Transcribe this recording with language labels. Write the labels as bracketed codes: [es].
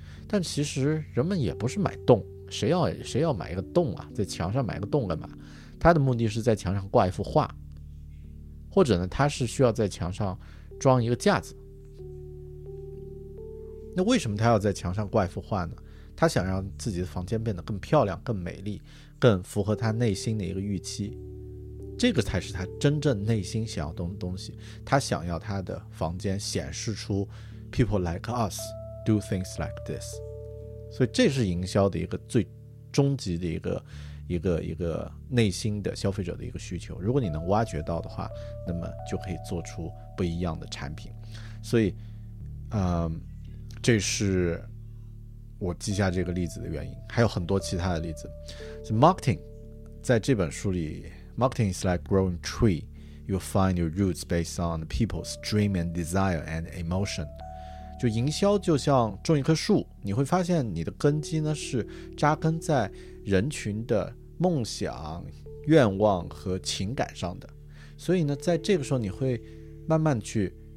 [zh] 但其实人们也不是买洞，谁要买一个洞啊，在墙上买个洞干嘛，他的目的是在墙上挂一幅画，或者呢他是需要在墙上装一个架子。那为什么他要在墙上挂一幅画呢？他想让自己的房间变得更漂亮更美丽，更符合他内心的一个预期，这个才是他真正内心想要的东西。他想要他的房间显示出 [en] People like us do things like this。 [zh] 所以这是营销的一个最终极的一个内心的消费者的一个需求，如果你能挖掘到的话，那么就可以做出不一样的产品。所以这是我记下这个例子的原因，还有很多其他的例子。 [en] So, Marketing [zh] 在这本书里， [en] Marketing is like growing tree, you find your roots based on people's dream and desire and emotion。 [zh] 就营销就像种一棵树，你会发现你的根基呢是扎根在人群的梦想愿望和情感上的，所以呢在这个时候你会慢慢去